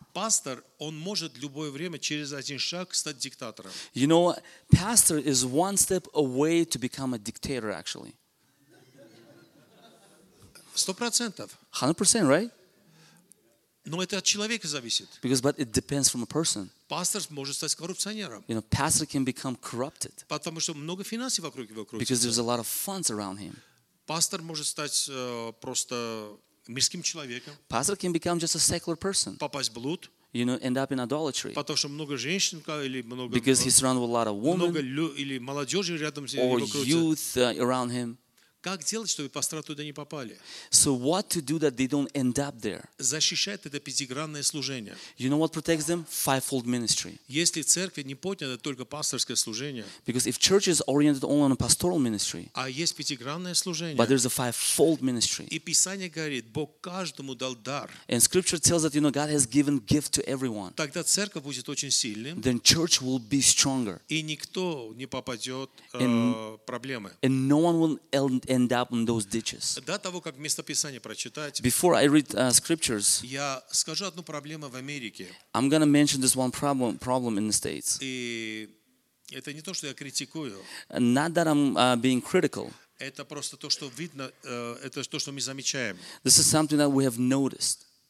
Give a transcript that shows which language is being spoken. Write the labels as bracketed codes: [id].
[ru] Пастор, он может любое время через один шаг стать диктатором. [en] You know, pastor is one step away to become a dictator, actually. [ru] 100%. [en] 100%, right? [ru] Но это от человека зависит. [en] Because but it depends from a person. [ru] Пастор может стать коррупционером. [en] You know, pastor can become corrupted. [ru] Потому что много финансов вокруг его крутится. [en] Because there's a lot of funds around him. [ru] Пастор может стать просто мирским человеком. [en] Pastor can become just a secular person. [ru] Попасть в блуд. [en] You know, end up in idolatry. [ru] Потому что много женщин или много. [en] Because he's surrounded with a lot of women. [ru] Много или молодежи рядом с ним. [en] Or youth around him. [ru] Как делать, чтобы пастора туда не попали? [en] So what to do that they don't end up there? [ru] Защищает это пятигранное служение. [en] You know what protects them? Fivefold ministry. [ru] Если церкви не поднято только пасторское служение. [en] Because if church is oriented only on a pastoral ministry. [ru] А есть пятигранное служение. [en] But there's a fivefold ministry. [ru] И Писание говорит, Бог каждому дал дар. [en] And Scripture tells that you know God has given gift to everyone. [ru] Тогда церковь будет очень сильным. [en] Then church will be stronger. [ru] И никто не попадет проблемы. [en] And no one will end up in those ditches. [ru] До того как местописание прочитать. [en] Before I read scriptures. [ru] Я скажу одну проблему в Америке. [en] I'm going to mention this one problem in the States. [ru] И это не то, что я критикую. [en] Not that I'm being critical. [ru] Это просто то, что видно, это то, что мы замечаем. [en] This is something that we have noticed.